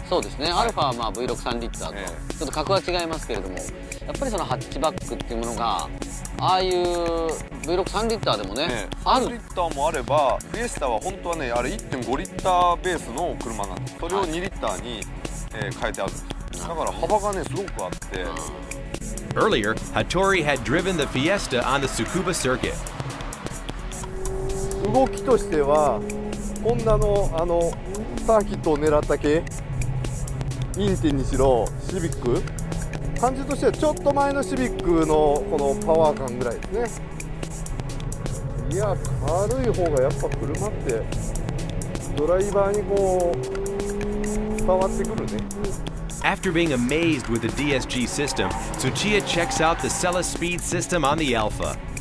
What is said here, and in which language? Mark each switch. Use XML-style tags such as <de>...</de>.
<ja>そうですね、アルファはまあ V6 3リッターと、ちょっと格は違いますけれども、やっぱりそのハッチバックっていうものがああいう V6 3リッターでもね、 3リッターもあればフィエスタは本当はね、あれ 1.5 リッターベースの車なんです。それを2リッターに、はい、変えてあるんです。だから幅がねすごくあって。</ja> <en>Earlier, Hattori had driven the Fiesta on the Tsukuba circuit.</en> <ja>動きとしてはホンダのあのサーキットを狙った系、インティにしろシビック、感じとしてはちょっと前のシビックのこのパワー感ぐらいですね。いや軽い方がやっぱ車ってドライバーにこう伝わってくるね。</ja> <en>After being amazed with the DSG system, Tsuchiya checks out the Celus speed system on the Alpha.</en>